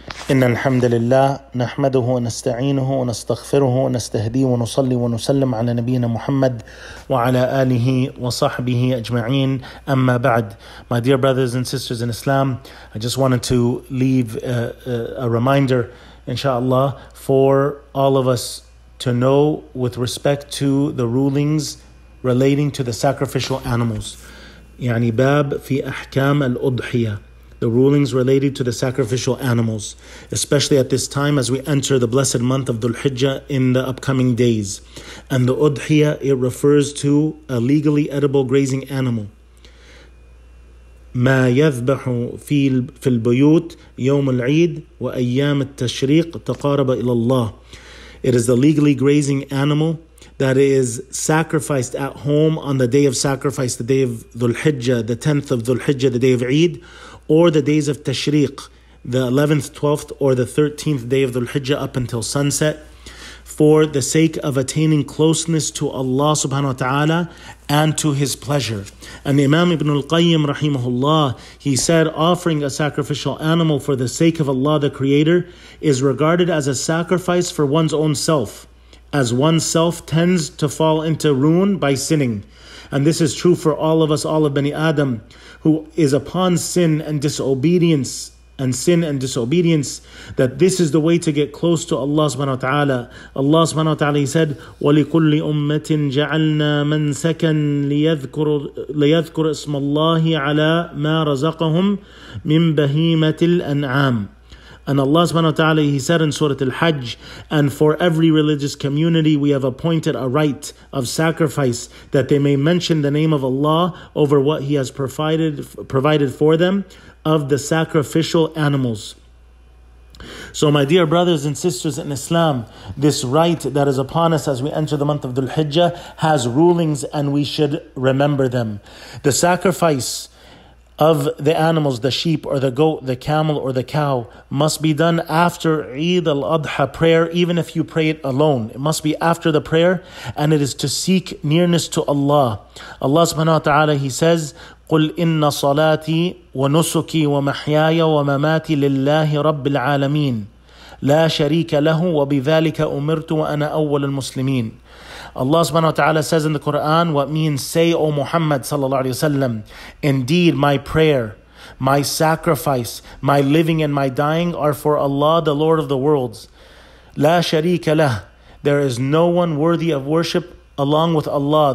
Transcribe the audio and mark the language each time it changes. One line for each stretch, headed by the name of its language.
Arabic: إن الحمد لله نحمده ونستعينه ونستغفره ونستهديه ونصلي ونسلم على نبينا محمد وعلى آله وصحبه أجمعين أما بعد.
English: My dear brothers and sisters in Islam, I just wanted to leave a reminder, inshallah, for all of us to know with respect to the rulings relating to the sacrificial animals.
Arabic: يعني باب في أحكام الأضحية.
English: The rulings related to the sacrificial animals, especially at this time as we enter the blessed month of Dhul Hijjah in the upcoming days. And the Udhiya, it refers to a legally edible grazing animal.
Arabic: ما يذبح في البيوت يوم العيد وأيام التشريق تقارب إلى الله.
English: It is the legally grazing animal that is sacrificed at home on the day of sacrifice, the day of Dhul Hijjah, the 10th of Dhul Hijjah, the day of Eid, or the days of Tashriq, the 11th, 12th, or the 13th day of Dhul Hijjah up until sunset, for the sake of attaining closeness to Allah subhanahu wa ta'ala and to His pleasure. And Imam Ibn al-Qayyim rahimahullah, he said, offering a sacrificial animal for the sake of Allah the Creator is regarded as a sacrifice for one's own self, as oneself tends to fall into ruin by sinning. And this is true for all of us, all of Bani Adam, who is upon sin and disobedience, that this is the way to get close to Allah subhanahu wa ta'ala. Allah subhanahu wa ta'ala, He said,
Arabic: وَلِكُلِّ أُمَّةٍ جَعَلْنَا مَنْ سَكَنْ لِيَذْكُرْ إِسْمَ اللَّهِ عَلَى مَا رَزَقَهُمْ مِنْ بَهِيمَةِ الْأَنْعَامِ.
English: And Allah subhanahu wa ta'ala, He said in Surah Al-Hajj, and for every religious community, we have appointed a rite of sacrifice that they may mention the name of Allah over what He has provided for them of the sacrificial animals. So my dear brothers and sisters in Islam, this rite that is upon us as we enter the month of Dhul Hijjah has rulings and we should remember them. The sacrifice of the animals, the sheep or the goat, the camel or the cow, must be done after Eid al-Adha prayer, even if you pray it alone. It must be after the prayer, and it is to seek nearness to Allah. Allah subhanahu wa ta'ala, He says,
Arabic: قُلْ إِنَّ صَلَاتِي وَنُسُكِي وَمَحْيَايَ وَمَمَاتِي لِلَّهِ رَبِّ الْعَالَمِينَ لَا شَرِيكَ لَهُ وَبِذَلِكَ أُمِرْتُ وَأَنَا أَوَّلُ الْمُسْلِمِينَ.
English: Allah subhanahu wa ta'ala says in the Quran, what means, say, O Muhammad sallallahu alayhi wa sallam, indeed my prayer, my sacrifice, my living and my dying are for Allah, the Lord of the worlds.
Arabic: La sharika lah.
English: There is no one worthy of worship along with Allah.